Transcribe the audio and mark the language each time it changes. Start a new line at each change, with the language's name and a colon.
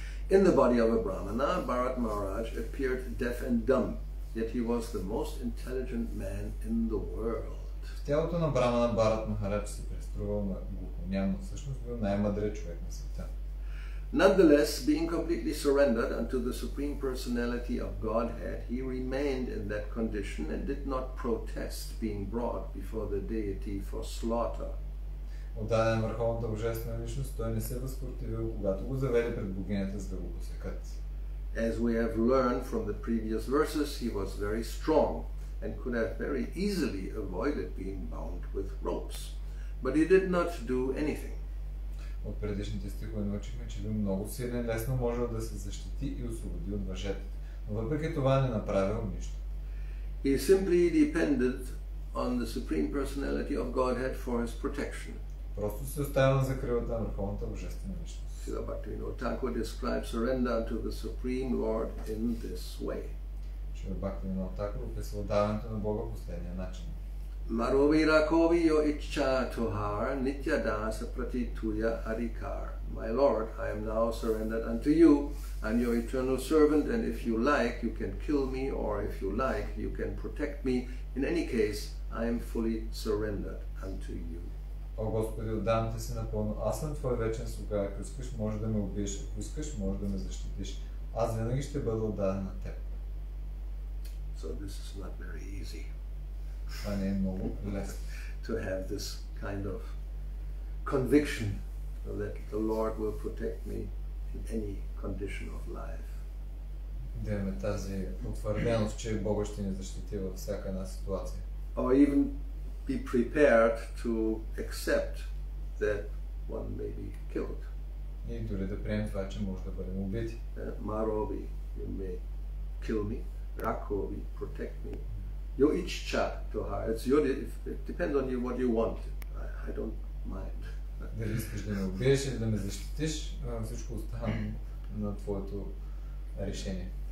English: In the body of a brahmana, Bharat Maharaj appeared deaf and dumb, yet he was the most intelligent man in the world.
Bulgarian: В тялото на брамана Бхарат Махарадж се преструвал на глухоня, но всъщност бил най-мъдрият човек на света.
English: Nonetheless, being completely surrendered unto the Supreme Personality of Godhead, he remained in that condition and did not protest being brought before the deity for slaughter.
Bulgarian: Отдаден върховната божествена личност, той не се възпротивил, когато го заведе пред богинята, за да го посекат.
English: As we have learned from the previous verses, he was very strong and could have very easily avoided being bound with ropes. But he did not do anything.
Bulgarian: От предишните стихове научихме, че бил много силен, лесно можел да се защити и освободи от въжета. Но въпреки това не направил нищо.
English: He simply depended on the Supreme Personality of Godhead for his protection.
Bulgarian: Просто се оставил на закрилата на върховната божествена личност.
English: Сила Бхактивинода Тхакур describes surrender to the Supreme Lord in this way.
Bulgarian: Сила Бхактивинода Тхакур описва отдаването на Бога последния начин.
Bangla: Marovira koviyo ichcha tohar nitya dasa pratituya arikar.
English: My Lord, I am now surrendered unto you. I am your eternal servant, and if you like, you can kill me, or if you like, you can protect me. In any case, I am fully surrendered unto you.
Bulgarian: О Господи, отдавам ти се напълно. Аз съм твой вечен слуга. Ако искаш, може да ме убиеш. Ако искаш, може да ме защитиш. Аз винаги ще бъда отдаден на теб.
English: So this is not very easy.
Bulgarian: Това не е много лесно.
English: To have this kind of conviction that the Lord will protect me in any condition of life.
Bulgarian: Да имаме тази утвърденост, че Бог ще ни защити във всяка една ситуация.
English: Or even be prepared to accept that one may be killed.
Bulgarian: И дори да приемем това, че може да бъдем убити.
Bangla: Marovi,
English: you may kill me.
Bangla: Rakovi,
English: protect me. Your
Bangla: ichcha toha,
English: it's your, it depends on you what you want. I don't mind.
Bulgarian: Дали искаш да ме убиеш или да ме защитиш, всичко оставам на твоето решение.